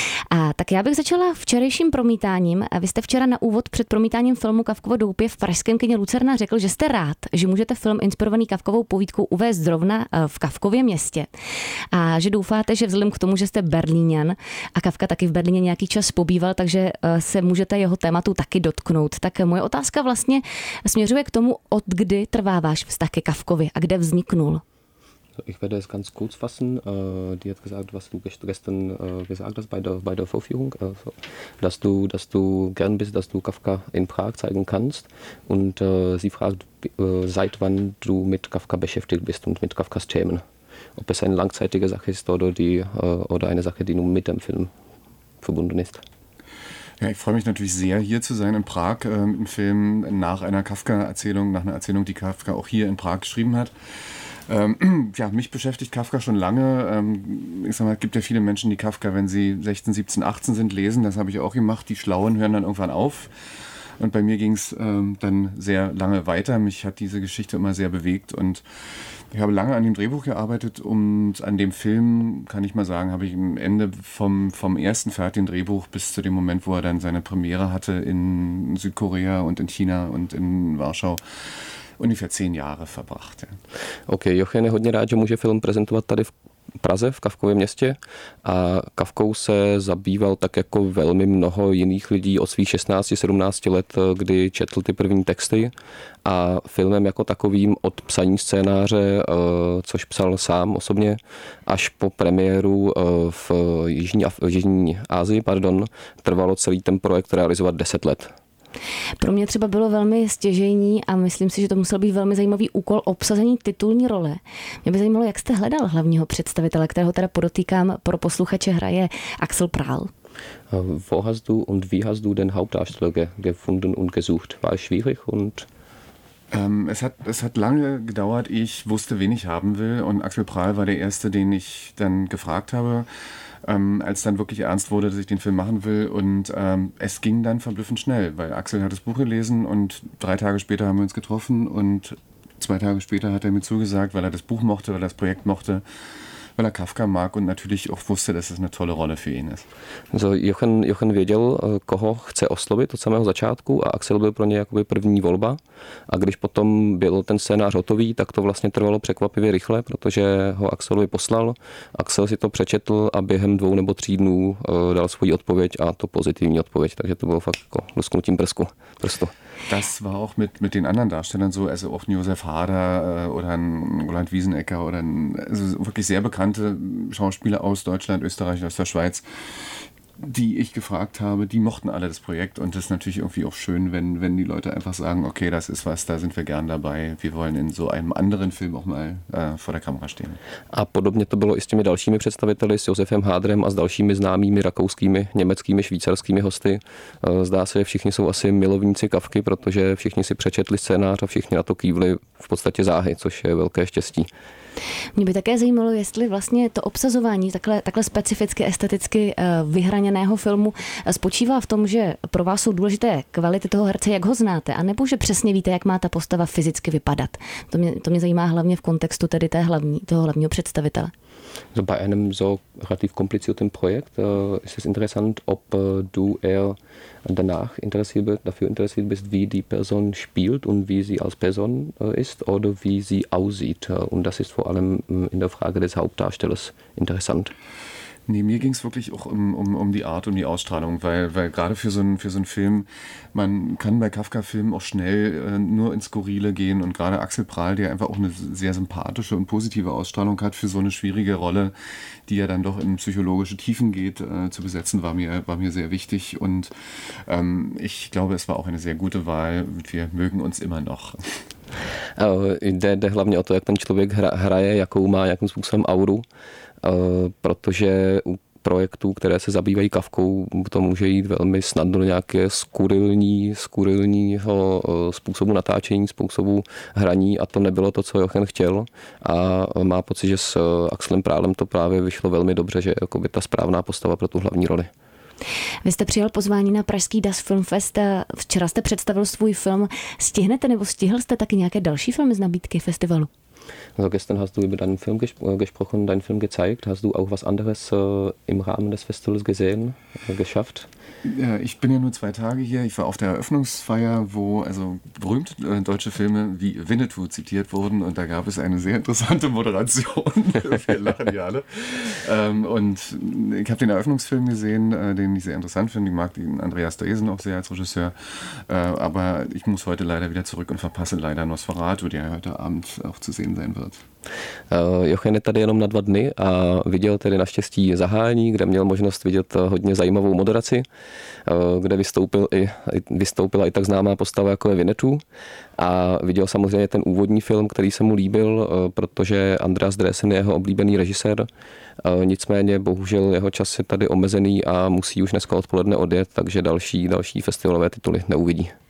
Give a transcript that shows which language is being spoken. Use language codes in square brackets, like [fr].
[cs] A tak já bych začala včerejším promítáním. Vy jste včera na úvod před promítáním filmu Kafkovo doupě v pražském kině Lucerna řekl, že jste rád, že můžete film inspirovaný Kafkovou povídkou uvést zrovna v Kafkově městě. A že doufáte, že vzhledem k tomu, že jste Berlíňan a Kafka taky v Berlíně nějaký čas pobýval, takže se můžete jeho tématu taky dotknout. Tak moje otázka vlastně směřuje k tomu, od kdy trvá váš vztah ke Kafkovi a kde vzniknul. [de] Ich werde es ganz kurz fassen. Die hat gesagt, was du gestern gesagt hast bei der Vorführung, also, dass du gern bist, dass du Kafka in Prag zeigen kannst. Und sie fragt, seit wann du mit Kafka beschäftigt bist und mit Kafkas Themen. Ob es eine langzeitige Sache ist oder eine Sache, die nur mit dem Film verbunden ist. Ja, ich freue mich natürlich sehr, hier zu sein in Prag mit einem Film nach einer Kafka-Erzählung, nach einer Erzählung, die Kafka auch hier in Prag geschrieben hat. Mich beschäftigt Kafka schon lange. Ich sag mal, es gibt ja viele Menschen, die Kafka, wenn sie 16, 17, 18 sind, lesen. Das habe ich auch gemacht. Die Schlauen hören dann irgendwann auf. Und bei mir ging es dann sehr lange weiter. Mich hat diese Geschichte immer sehr bewegt. Und ich habe lange an dem Drehbuch gearbeitet. Und an dem Film, kann ich mal sagen, habe ich am Ende vom ersten fertigen Drehbuch bis zu dem Moment, wo er dann seine Premiere hatte in Südkorea und in China und in Warschau, ungefähr 10 Jahre verbracht. [cs] Okay, Jochen je hodně rád, že může film prezentovat tady v Praze, v Kafkově městě. A Kafkou se zabýval tak jako velmi mnoho jiných lidí od svých 16-17 let, kdy četl ty první texty. A filmem jako takovým od psaní scénáře, což psal sám osobně, až po premiéru v Jižní Asii, trvalo celý ten projekt realizovat 10 let. Pro mě třeba bylo velmi stěžejní a myslím si, že to musel být velmi zajímavý úkol obsazení titulní role. Mě by zajímalo, jak jste hledal hlavního představitele, kterého teda podotýkám pro posluchače hraje Axel Prahl. [de] Wo hast du und wie hast du den Hauptdarsteller gefunden und gesucht? War es schwierig und... Es hat lange gedauert, ich wusste, wen ich haben will und Axel Prahl war der Erste, den ich dann gefragt habe. Als dann wirklich ernst wurde, dass ich den Film machen will und es ging dann verblüffend schnell, weil Axel hat das Buch gelesen und 3 Tage später haben wir uns getroffen und 2 Tage später hat er mir zugesagt, weil er das Buch mochte, weil er das Projekt mochte, weil er Kafka mag und natürlich auch wusste, dass es eine tolle Rolle für ihn ist. [cs] Also Jochen věděl, koho chce oslovit od samého začátku a Axel byl pro něj jakoby první volba a když potom byl ten scénář hotový, tak to vlastně trvalo překvapivě rychle, protože ho Axelovi poslal. Axel si to přečetl a během 2 nebo 3 dnů dal svoji odpověď a to pozitivní odpověď, takže to bylo fakt jako lusknutím prstu. [de] Das war auch mit den anderen Darstellern so, also auch Josef Hader oder ein Roland Wiesenecker oder ein, also wirklich sehr bekannte Schauspieler aus Deutschland, Österreich, aus der Schweiz, die ich gefragt habe, die mochten alle das Projekt und das ist natürlich irgendwie auch schön, wenn die Leute einfach sagen, okay, das ist was, da sind wir gern dabei, wir wollen in so einem anderen Film auch mal vor der Kamera stehen. [cs] A podobně to bylo i s těmi dalšími představiteli, s Josefem Hádrem a s dalšími známými rakouskými, německými, švýcarskými hosty. Zdá se, že všichni jsou asi milovníci Kafky, protože všichni si přečetli scénář a všichni na to kývli v podstatě záhy, což je velké štěstí. Mě by také zajímalo, jestli vlastně to obsazování takhle specificky, esteticky vyhraněného filmu spočívá v tom, že pro vás jsou důležité kvality toho herce, jak ho znáte, anebo že přesně víte, jak má ta postava fyzicky vypadat. To mě zajímá hlavně v kontextu tedy toho hlavního představitele. [de] So bei einem so relativ komplizierten Projekt ist es interessant, ob du eher danach dafür interessiert bist, wie die Person spielt und wie sie als Person ist oder wie sie aussieht. Und das ist vor allem in der Frage des Hauptdarstellers interessant. Nee, mir ging es wirklich auch um die Art, um die Ausstrahlung, weil gerade für so einen Film, man kann bei Kafka-Filmen auch schnell nur ins Skurrile gehen und gerade Axel Prahl, der einfach auch eine sehr sympathische und positive Ausstrahlung hat für so eine schwierige Rolle, die ja dann doch in psychologische Tiefen geht, zu besetzen, war mir sehr wichtig und ich glaube, es war auch eine sehr gute Wahl. Wir mögen uns immer noch. [cs] Jde hlavně o to, jak ten člověk hraje, jakou má nějakým způsobem auru, protože u projektů, které se zabývají Kafkou, to může jít velmi snadno do nějaké skurilního způsobu natáčení, způsobu hraní a to nebylo to, co Jochen chtěl a má pocit, že s Axlem Prálem to právě vyšlo velmi dobře, že je ta správná postava pro tu hlavní roli. Vy jste přijal pozvání na pražský DAS Film Fest a včera jste představil svůj film. Stihnete nebo stihl jste taky nějaké další filmy z nabídky festivalu? [de] Also gestern hast du über deinen Film gesprochen, deinen Film gezeigt. Hast du auch was anderes im Rahmen des Festivals gesehen, geschafft? Ja, ich bin ja nur 2 Tage hier. Ich war auf der Eröffnungsfeier, wo also berühmte deutsche Filme wie Winnetou zitiert wurden und da gab es eine sehr interessante Moderation. Wir lachen ja alle. Und ich habe den Eröffnungsfilm gesehen, den ich sehr interessant finde. Ich mag den Andreas Dresen auch sehr als Regisseur. Aber ich muss heute leider wieder zurück und verpasse leider Nosferatu, der heute Abend auch zu sehen sein wird. [cs] Jochen je tady jenom na 2 dny a viděl tedy naštěstí zahájení, kde měl možnost vidět hodně zajímavou moderaci, kde vystoupila i tak známá postava jako je Winnetou a viděl samozřejmě ten úvodní film, který se mu líbil, protože Andreas Dresen je jeho oblíbený režisér, nicméně bohužel jeho čas je tady omezený a musí už dneska odpoledne odjet, takže další festivalové tituly neuvidí.